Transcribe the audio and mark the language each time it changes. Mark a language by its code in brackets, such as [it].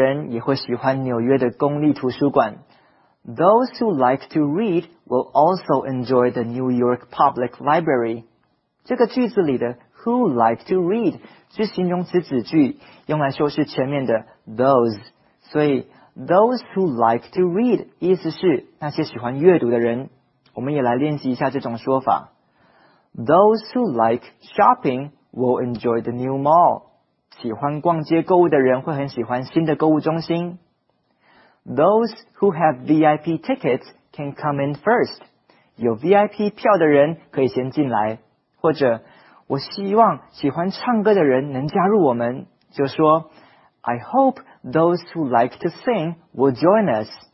[zh] 喜欢阅读的人也会喜欢纽约的公立图书馆. [en] Those who like to read will also enjoy the New York Public Library. [zh] 这个句子里的 [en] who like to read [zh] 是形容词子句, 用来修饰前面的 those. 所以 [en] those who like to read [zh] 意思是那些喜欢阅读的人. 我们也来练习一下这种说法. [en] Those who like shopping will enjoy the new mall. [zh] 喜欢逛街购物的人会很喜欢新的购物中心. [en] Those who have VIP tickets can come in first. [zh] 有 VIP 票的人可以先进来.或者我希望喜欢唱歌的人能加入我们，就说 [en] I hope those who like to sing will join us.